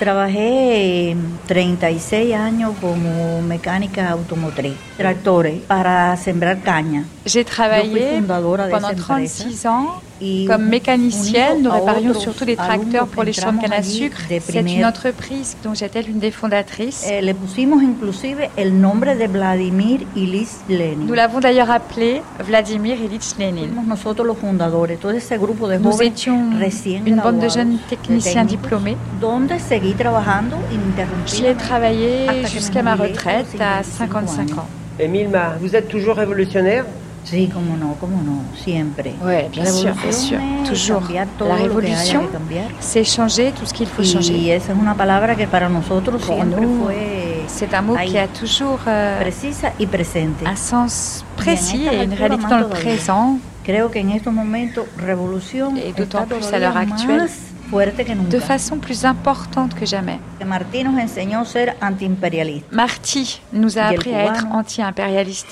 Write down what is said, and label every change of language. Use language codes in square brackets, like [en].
[es] Trabajé 36 años como mecánica automotriz, tractores para sembrar caña. [fr] J'ai travaillé pendant 36 ans comme mécanicienne. Nous réparions surtout des tracteurs pour les champs de canne à sucre. C'est une entreprise dont j'étais l'une des fondatrices. [es] Le pusimos inclusive el nombre de Vladimir Ilich Lenin. [fr] Nous l'avons d'ailleurs appelé Vladimir Ilich Lenin. [es] Nosotros los fundadores, todo ese grupo de jóvenes recién graduados. [fr] Une bande de jeunes techniciens diplômés. [es] Donde seguí trabajando ininterrumpidamente. [fr] J'ai travaillé jusqu'à ma retraite à 55 ans. Et Milma, vous êtes toujours révolutionnaire ? [es] Sí, como no, siempre. [fr] Oui, bien sûr, toujours. La révolution, c'est changer tout ce qu'il faut changer. [es] Y esa es una palabra que para nosotros siempre fue... [fr] C'est un mot qui a toujours [es] precisa y presente. [fr] Un sens précis et une réalité dans le présent. [es] Creo que en estos momentos, révolution [fr] et d'autant plus à l'heure actuelle, de façon plus importante que jamais. [es] Martí nos enseñó ser antiimperialista. [fr] Martí nous a appris à être anti-impérialiste.